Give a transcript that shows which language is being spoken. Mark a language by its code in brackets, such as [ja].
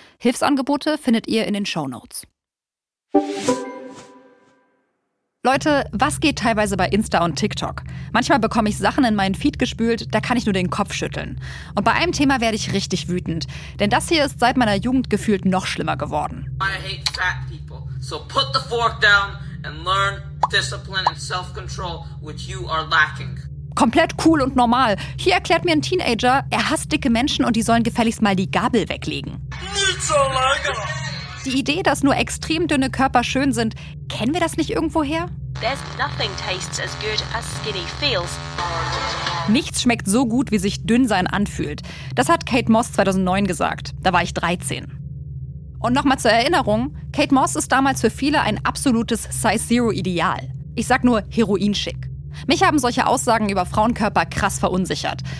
[de] Hilfsangebote findet ihr in den Shownotes. Leute, was geht teilweise bei Insta und TikTok? Manchmal bekomme ich Sachen in meinen Feed gespült, da kann ich nur den Kopf schütteln. Und bei einem Thema werde ich richtig wütend, denn das hier ist seit meiner Jugend gefühlt noch schlimmer geworden. [en] I hate fat people, so put the fork down and learn discipline and self-control, which you are lacking. [de] Komplett cool und normal. Hier erklärt mir ein Teenager, er hasst dicke Menschen und die sollen gefälligst mal die Gabel weglegen. Nicht so lange. Die Idee, dass nur extrem dünne Körper schön sind, kennen wir das nicht irgendwoher? [en] There's nothing tastes as good as skinny feels. [de] Nichts schmeckt so gut, wie sich dünn sein anfühlt. Das hat Kate Moss 2009 gesagt. Da war ich 13. Und nochmal zur Erinnerung, Kate Moss ist damals für viele ein absolutes Size-Zero-Ideal. Ich sag nur heroinschick. Mich haben solche Aussagen über Frauenkörper krass verunsichert.